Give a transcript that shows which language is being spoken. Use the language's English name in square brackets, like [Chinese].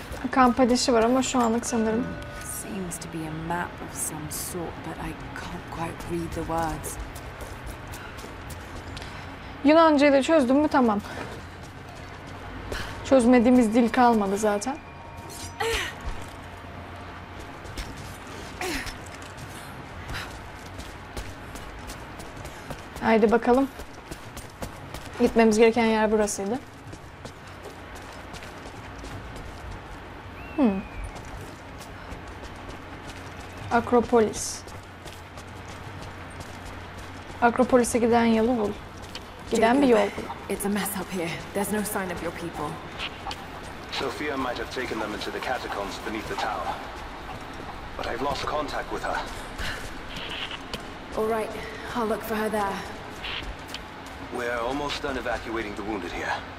[Turkish] Kamp adresi var ama şu anlık sanırım. [English] Seems to be a map of some sort, but I can't quite read the words. [Turkish] Yunanca'yı da çözdüm mü? Tamam. Çözmediğimiz dil kalmadı zaten. Haydi bakalım. Gitmemiz gereken yer burasıydı. Akropolis. Akropolis'e giden yolu bul. Giden bir yol. [English] It's a mess up here. There's no sign of your people. Sophia might have taken them into the catacombs beneath the tower. But I've lost contact with her. All right. I'll look for her there. We're almost done evacuating the wounded here.